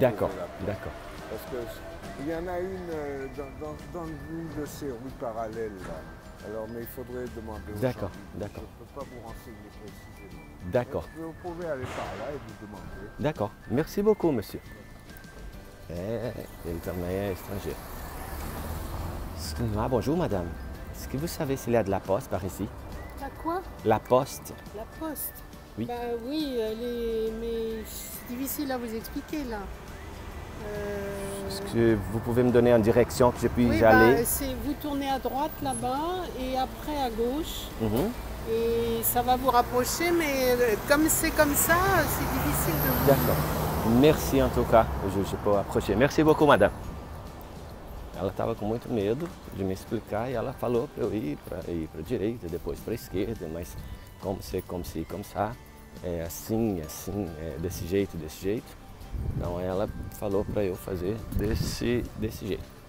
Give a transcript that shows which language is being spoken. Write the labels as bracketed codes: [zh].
[fr] D'accord, la poste. d'accord. Parce que il y en a une dans une de ces rues parallèles là. Alors, mais il faudrait demander aux gens. D'accord, Je ne d'accord. peux pas vous renseigner précisément. D'accord. Vous pouvez aller par là et vous demander. D'accord. Merci beaucoup, monsieur. [pt] Ele também é estrangeiro. [fr] Ah, bonjour, madame. Est-ce que vous savez s'il y a de la poste par ici? La quoi? La poste. La poste? Oui. Bah oui, elle est. Mais c'est difficile à vous expliquer là. Est-ce que vous pouvez me donner une direction que je Oui, puisse bah, aller? c'est vous tournez à droite là-bas et après à gauche. Mmh. Et ça va vous rapprocher, mais comme c'est comme ça, c'est difficile de vous. D'accord. Merci en tout cas. Je peux approcher. Merci beaucoup, madame. [pt] Ela estava com muito medo de me explicar e ela falou para eu ir para a direita, depois para a esquerda, mas como se, como se, como sa, é assim, assim, é desse jeito, desse jeito. Então ela falou para eu fazer desse jeito.